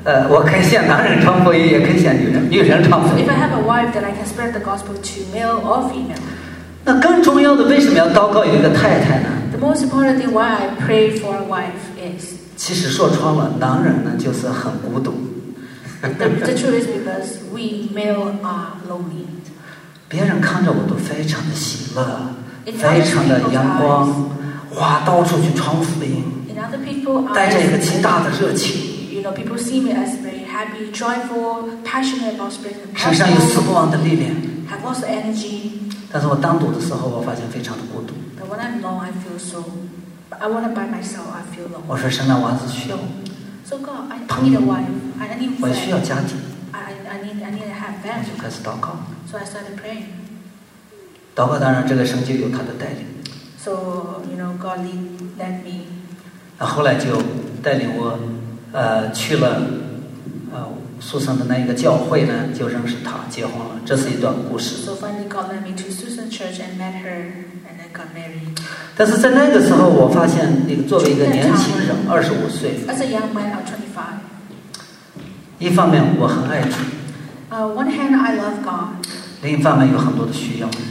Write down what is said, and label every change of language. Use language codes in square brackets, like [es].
[zh] 我可以向男人传福音，也可以向女人传福音。 [en] If I have a wife, then I can spread the gospel to male or female. [zh] 那更重要的，为什么要祷告有一个太太呢？ [en] The most important thing why I pray for a wife is. [zh] 其实说穿了，男人呢就是很孤独。 [en] The truth is because we male are lonely. [zh] 别人看着我都非常的喜乐，非常的阳光，哇，到处去传福音。 [en] In other people, [zh] 带着一个极大的热情。 [en] You know, people see me as very happy, joyful, passionate about spreading the gospel. [zh] 身上有死不亡的力量。 [en] Have lots of energy. [zh] 但是我单独的时候，我发现非常的孤独。 [en] But when I'm alone, I feel so. I want to by myself. I feel lonely. [zh] 我说神啊，我只需要。 [en] So God, I need a wife. I need friends. [zh] 我需要家庭。 [en] I need to have family. [zh] 就开始祷告。 [en] So I started praying. [zh] 祷告当然，这个神就有他的带领。 [en] So you know, God led me. [zh] 那后来就带领我。去了，Susan的那一个教会呢，就认识她，结婚了。这是一段故事。 [en] So finally, God led me to Susan Church and met her, and then got married. [zh] 但是在那个时候，我发现，那个作为一个年轻人，25岁 [en] ，as a young man, I'm 25. [zh] 一方面我很爱主。 [en] One hand, I love God. [zh] 另一方面有很多的需要。